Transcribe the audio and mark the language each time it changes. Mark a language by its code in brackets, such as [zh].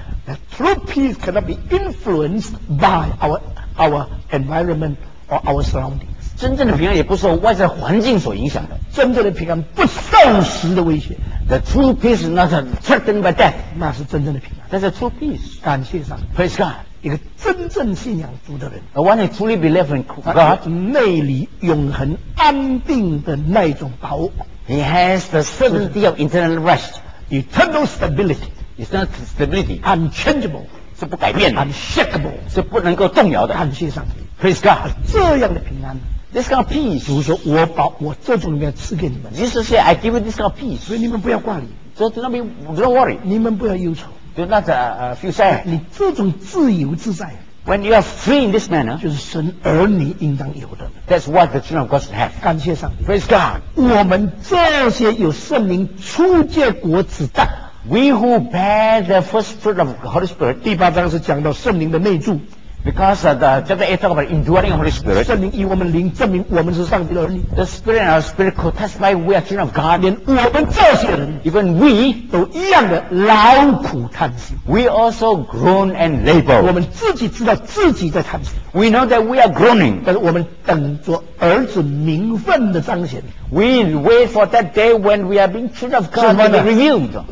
[en] The true peace cannot be influenced by our environment or our surroundings. [zh] 真正的平安也不受外在环境所影响的。真正的平安不受时的威胁。 [en] The true peace is not threatened by death. [zh] 那是真正的平安。 [en] That's a true peace. [zh] 感谢上帝。 [en] Praise God. [zh] 一个真正信仰主的人。 [en] A one who truly believes in God. [zh] 内里永恒安定的那种把握。 [en] He has the certainty of internal rest. Eternal stability is not stability. Unchangeable [zh] 是不改变的。 [en] Unshakable [zh] 是不能够动摇的。感谢上帝。 [en] Praise God. [zh] 这样的平安。 [en] This kind of peace. [zh] 主说，我把我这种平安赐给你们。 [en] Jesus said, I give you this kind of peace. [zh] 所以你们不要挂虑。 [en] So don't worry. [zh] 你们不要忧愁。 [en] Do not feel sad. [zh] 你这种自由自在。 [en] When you are free in this manner, [zh] 就是神儿女应当有的。 [en] That's what the children of God should have. [zh] 感谢上帝。 [en] Praise God. [zh] 我们这些有圣灵初结果子的。 [en] We who bear the first fruit of the Holy Spirit. [zh] 第八章是讲到圣灵的内住。 [en] Because chapter 8 talks about indwelling of Holy Spirit. [zh] 圣灵以我们灵证明我们是上帝的儿女。 [en] The Spirit and our spirit could testify we are children of God. [zh] 连我们这些人 [en] even we [zh] 都一样的劳苦叹息。 [en] We also groan and labor. [zh] 我们自己知道自己在叹息。 [en] We know that we are groaning. [zh] 但是我们等着儿子名分的彰显。 [en] We wait for that day when we are being children of God and revealed.